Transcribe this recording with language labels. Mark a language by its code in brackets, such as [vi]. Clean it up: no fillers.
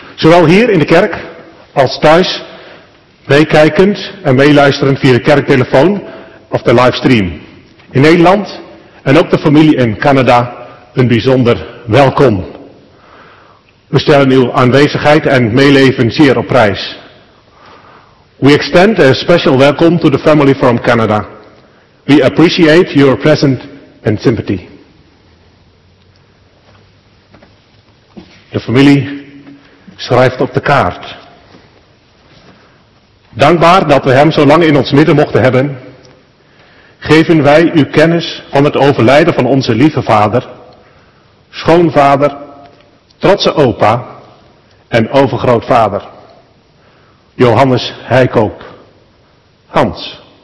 [nl] Zowel hier in de kerk als thuis, meekijkend en meeluisterend via de kerktelefoon of de livestream. In Nederland en ook de familie in Canada een bijzonder welkom. We stellen uw aanwezigheid en meeleven zeer op prijs. [en] We extend a special welcome to the family from Canada. We appreciate your presence and sympathy. [nl] De familie schrijft op de kaart. Dankbaar dat we hem zo lang in ons midden mochten hebben, geven wij u kennis van het overlijden van onze lieve vader, schoonvader, trotse opa en overgrootvader, Johannes Heikomp, Hans,